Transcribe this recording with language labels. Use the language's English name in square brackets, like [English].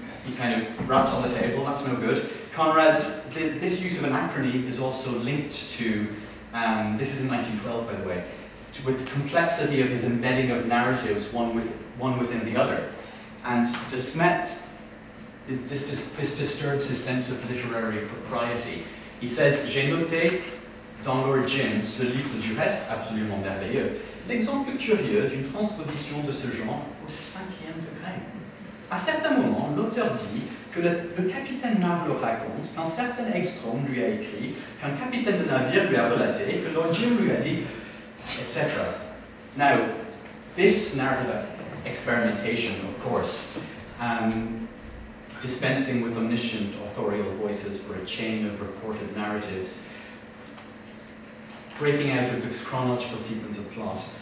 [English] He kind of raps on the table, that's no good. Conrad's, this use of anachrony is also linked to, this is in 1912 by the way, to, with the complexity of his embedding of narratives one within the other. And de Smet, this disturbs his sense of literary propriety. [French] He says, j'ai noté dans l'origine ce livre du reste absolument merveilleux, l'exemple curieux d'une transposition de ce genre au cinquième degré. À certains moments, l'auteur dit que le capitaine Marlowe raconte qu'un certain Ekstrom lui a écrit, qu'un capitaine de navire lui a relaté, que Lord Jim lui a dit, etc. [English] Now, this narrative experimentation, of course, dispensing with omniscient authorial voices for a chain of reported narratives, breaking out of this chronological sequence of plot.